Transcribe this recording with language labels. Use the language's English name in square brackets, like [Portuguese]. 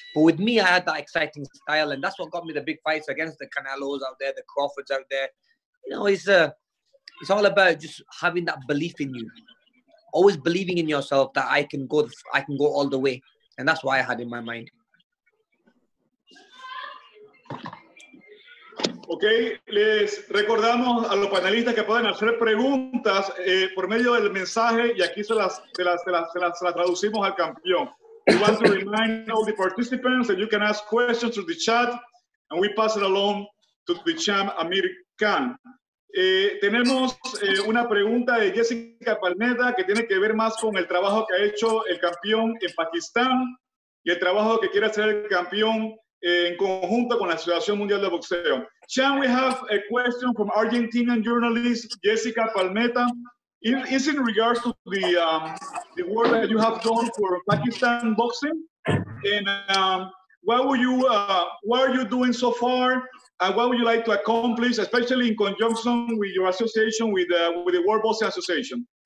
[English] But with me, I had that exciting style, and that's what got me the big fights against the Canelos out there, the Crawfords out there. You know, it's all about just having that belief in you, always believing in yourself that I can go all the way, and that's what I had in my mind. [Spanish] Ok, les recordamos a los panelistas que pueden hacer preguntas por medio del mensaje y aquí se las traducimos al campeón. [English] We want to remind all the participants that you can ask questions through the chat and we pass it along to the champ Amir Khan. [Spanish] Tenemos una pregunta de Jessica Palmeda que tiene que ver más con el trabajo que ha hecho el campeón en Pakistán y el trabajo que quiere hacer el campeón en conjunto con la Asociación Mundial de Boxeo. [English] Chan, we have a question from Argentinian journalist Jessica Palmeta. Is in regards to the work that you have done for Pakistan boxing? And what are you doing so far? And what would you like to accomplish, especially in conjunction with your association with the World Boxing Association?